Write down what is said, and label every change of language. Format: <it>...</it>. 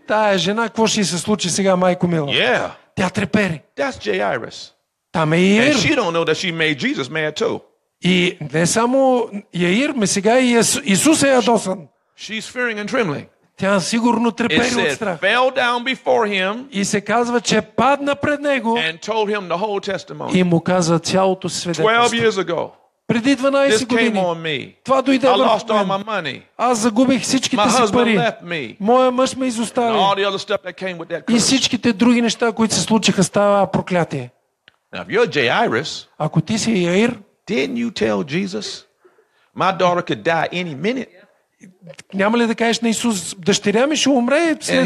<bg>Тая жена, какво ще се случи сега, майко мила?</bg> <en>Yeah.</en> <bg>Тя трепери.</bg> <en>That's Jairus.</en> <bg>Там е Иир.</bg> <en>And she don't know that she made Jesus mad too.</en> <bg>И не само Иир, ме сега и Исус е ядосан.</bg> <en>She's fearing and trembling.</en> <bg>Тя сигурно трепери от страх.</bg> <en>Fell down before him.</en> <bg>И се казва, че падна пред него.</bg> <en>And told him the whole testimony.</en> <bg>И му каза цялото свидетелство.</bg> <en>12 years ago.</en> <bg>Преди 12 години.</bg> <en>This came on me.</en> <bg>Това дойде върху мен.</bg> <en>I lost all my money.</en> <bg>Аз загубих всичките си пари. Моя мъж ме изостави.</bg> <en>All the other stuff that came with that curse.</en> <bg>И всичките други неща, които се случиха, става проклятие.</bg> <en>Now, if you're Jairus,</en> <bg>ако ти си Яир,</bg> <en>didn't you tell Jesus my daughter could die any minute?</en> <bg>Няма ли да кажеш на Исус, дъщеря ми ще умре след</bg>